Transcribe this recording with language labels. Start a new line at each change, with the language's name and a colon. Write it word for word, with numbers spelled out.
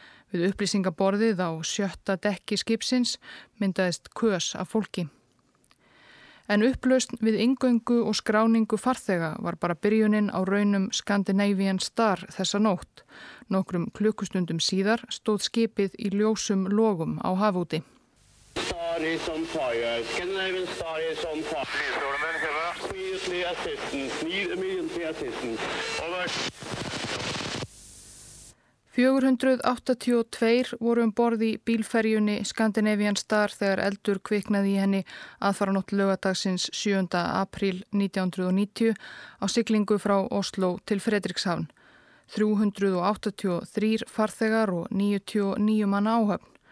Icelandic: Við upplýsingaborðið á sjötta dekki skipsins myndaðist kös af fólki. En upplausn við inngöngu og skráningu farþega var bara byrjunin á raunum Scandinavian Star þessa nótt. Nokkrum klukkustundum síðar stóð skipið í ljósum logum á hafúti.
English: Star is on fire. Scandinavian Star is on fire. Immediately assistance. Need immediately assistance. Over.
Icelandic: fjögur hundruð áttatíu og tvö voru um borði bílferjunni Scandinavian Star þegar eldur kviknaði í henni aðfaranótt laugadagsins sjöunda apríl nítján hundruð níutíu á siglingu frá Ósló til Fredrikshavn. þrjú hundruð áttatíu og þrjú farþegar og níutíu og níu manna áhöfn.